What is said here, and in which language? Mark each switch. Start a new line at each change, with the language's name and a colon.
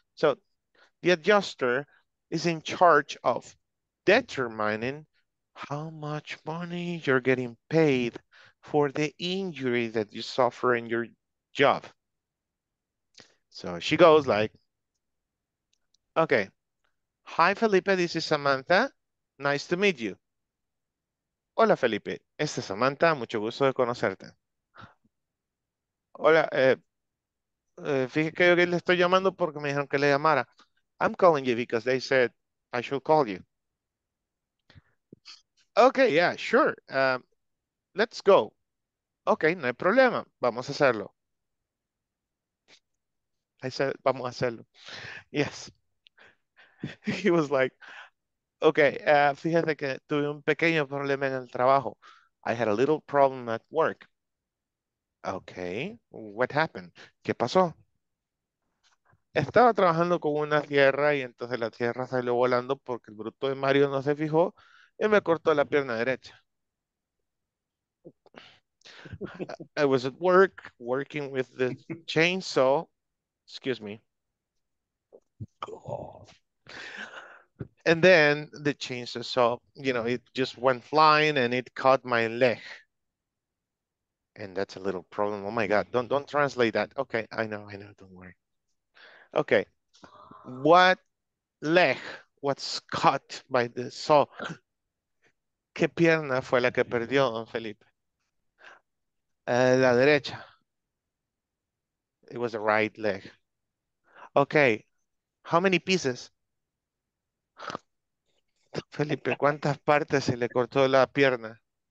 English: So the adjuster is in charge of determining how much money you're getting paid for the injury that you suffer in your job. So she goes like, okay, hi Felipe, this is Samantha. Nice to meet you.
Spanish: Hola Felipe, esta es Samantha, mucho gusto de conocerte. Hola, fíjate que le estoy llamando porque me dijeron que le llamara.
English: I'm calling you because they said I should call you. Okay, yeah, sure. Let's go. Okay,
Spanish: no hay problema. Vamos a hacerlo.
English: I said,
Spanish: vamos a hacerlo.
English: Yes. He was like, okay,
Spanish: fíjate que tuve un pequeño problema en el trabajo.
English: I had a little problem at work. Okay, what happened?
Spanish: ¿Qué pasó? Estaba trabajando con una tierra y entonces la tierra salió volando porque el bruto de Mario no se fijó y me cortó la pierna derecha.
English: I was at work, working with the chainsaw. Excuse me. And then the chainsaw, so, you know, it just went flying and it caught my leg. And that's a little problem. Oh my God, don't translate that. Okay, I know, don't worry. Okay, what leg was cut by the saw?
Spanish: ¿Qué pierna fue la que perdió, don Felipe? La derecha.
English: It was the right leg. Okay, how many pieces?
Spanish: Felipe, ¿cuántas partes se le cortó la pierna?